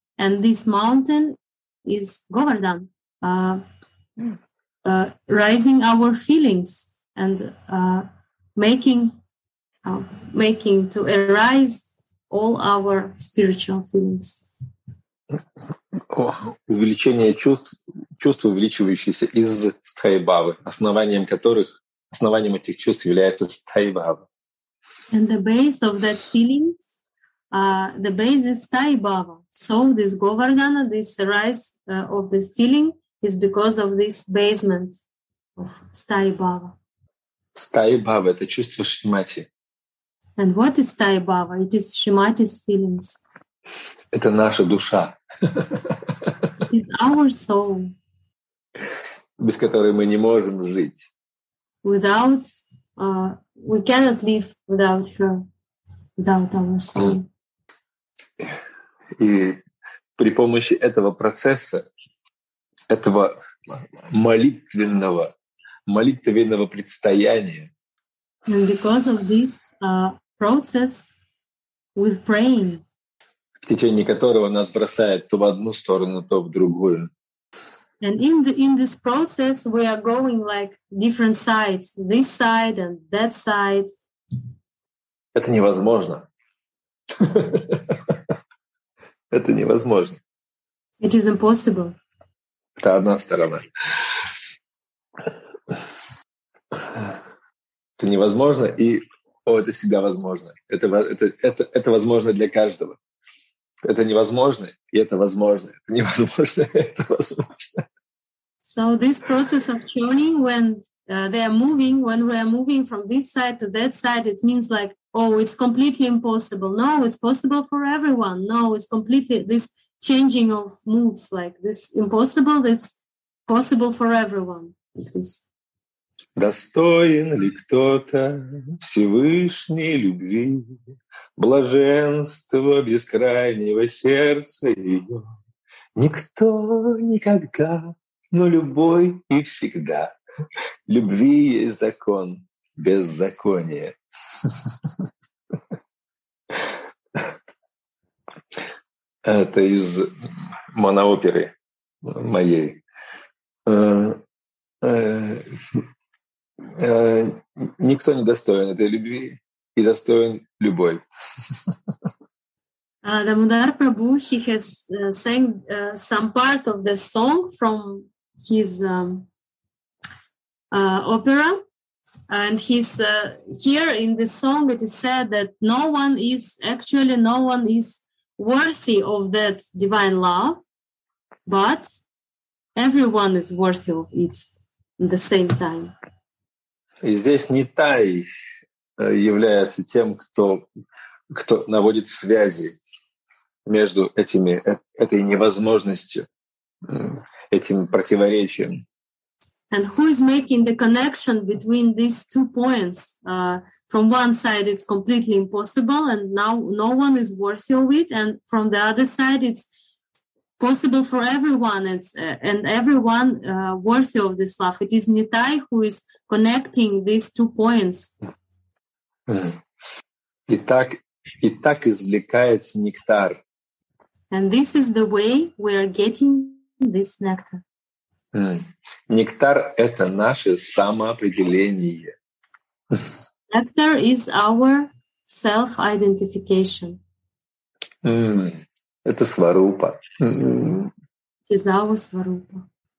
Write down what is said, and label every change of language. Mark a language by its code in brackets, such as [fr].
[en] And this mountain is Govardhan, rising our feelings and making to arise all our spiritual feelings. [ru] Увеличение чувств, увеличивающиеся из стаи Бавы, основанием этих чувств является стаи Бава. [en] And the base of that feelings, the base is стаи Бава. So this Govardhana, this rise of this feeling is because of this basement of стаи Бава. [ru] Стаи Бава — это чувство Шримати. [en] And what is стаи Бава? It is Шримати's feelings. [ru] Это наша душа. [en] It's our soul. [ru] Без которой мы не можем жить. [en] Without, we cannot live without her, without our soul. [ru] И при помощи этого процесса, этого молитвенного предстояния. [en] And because of this process with praying, [ru] в течение которого нас бросает то в одну сторону, то в другую. [en] And in this process we are going like different sides, this side and that side. [ru] Это невозможно. Это невозможно. [en] It is impossible. [ru] Это одна сторона. Это невозможно, и это всегда возможно. Это возможно для каждого. Это невозможно, и это возможно. Это невозможно, и это возможно. [en] So this process of churning, when they are moving, when we are moving from this side to that side, it means like, oh, it's completely impossible. No, it's possible for everyone. No, it's completely this changing of moves, like this impossible, it's possible for everyone. [ru] Достоин ли кто-то Всевышней любви, блаженства бескрайнего сердца ее? Никто никогда, но любой и всегда. Любви есть закон, беззаконие. Это из монооперы моей. Никто не достоин этой любви, и достоин любой. [en] Дамодар Прабху, he has sang some part of the song from his opera, and he's here in the song it is said that no one is worthy of that divine love, but everyone is worthy of it at the same time. [ru] И здесь не Тай является тем, кто наводит связи между этой невозможностью, этим противоречием. [en] And who is making the connection between these two points? From one side, it's completely impossible, and now no one is worthy of it. And from the other side, it's possible for everyone, and everyone worthy of this love. It is Nitai who is connecting these two points. [ru] И так извлекается нектар. [en] And this is the way we are getting this nectar. [ru] Нектар — это наше самоопределение. [en] Nectar is our self-identification. [ru] Это сварупа. Кизава сварупа.